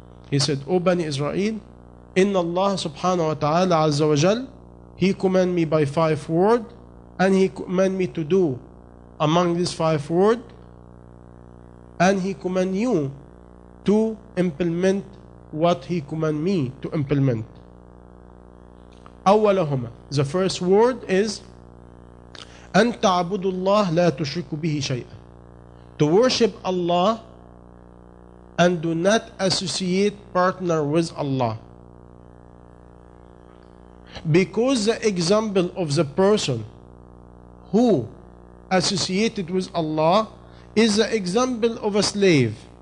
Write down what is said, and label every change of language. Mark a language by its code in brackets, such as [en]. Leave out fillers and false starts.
[en] He said, O Bani Israel, Inna Allah subhanahu wa ta'ala azza wa jal, he command me by 5 words, and he command me to do among these 5 words, and he command you to implement what he command me to implement. [ar] أولهما, [en] the first word is [ar] أن تعبد الله لا تشرك به شيئا. [en] To worship Allah and do not associate partner with Allah. Because the example of the person who associated with Allah is the example of a slave.